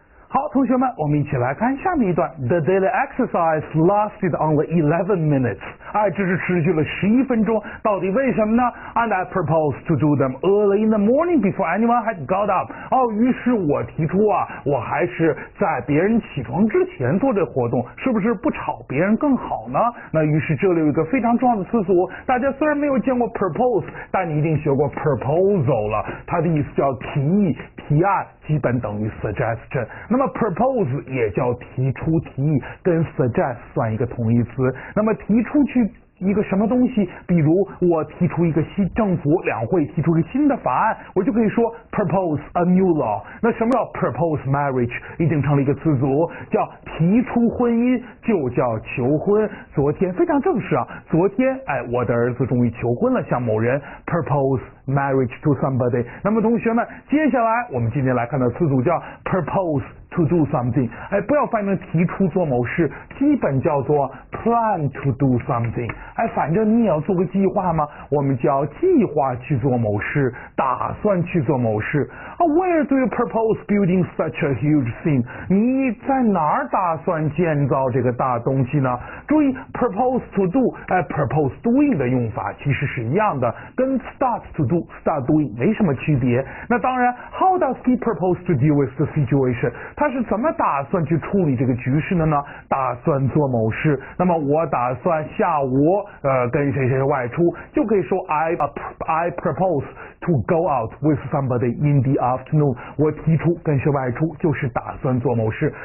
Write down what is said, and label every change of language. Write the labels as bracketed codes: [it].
[zh] 好，同学们，我们一起来看下面一段。 [en] The daily exercise lasted only 11 minutes. [zh] 哎，这是持续了11分钟，到底为什么呢？ [en] And I proposed to do them early in the morning before anyone had got up. [zh] 哦，于是我提出啊，我还是在别人起床之前做这活动，是不是不吵别人更好呢？那于是这里有一个非常重要的词组，大家虽然没有见过 propose， 但你一定学过 proposal 了，它的意思叫提议、提案，基本等于 suggestion。那么 propose 也叫提出提议，跟 suggest 算一个同义词。那么提出去一个什么东西，比如我提出一个新政府两会提出一个新的法案，我就可以说 propose a new law。那什么叫 propose marriage，已经成了一个词组，叫提出婚姻，就叫求婚。昨天非常正式啊，昨天哎，我的儿子终于求婚了，向某人 propose marriage to somebody。那么同学们，接下来我们今天来看的词组叫 proposeto do something，哎，不要翻译成提出做某事，基本叫做 plan to do something。哎，反正你也要做个计划嘛，我们叫计划去做某事，打算去做某事。 [en] Where do you propose building such a huge thing？ [zh] 你在哪儿打算建造这个大东西呢？注意 propose to do，哎， propose doing 的用法其实是一样的，跟 start to do start doing 没什么区别。 [en] 那当然 how does he propose to deal with the situation？ [zh] 他是怎么打算去处理这个局势的呢？打算做某事，那么我打算下午跟谁谁外出，就可以说 I propose to go out with somebody in the afternoon。我提出跟谁外出，就是打算做某事。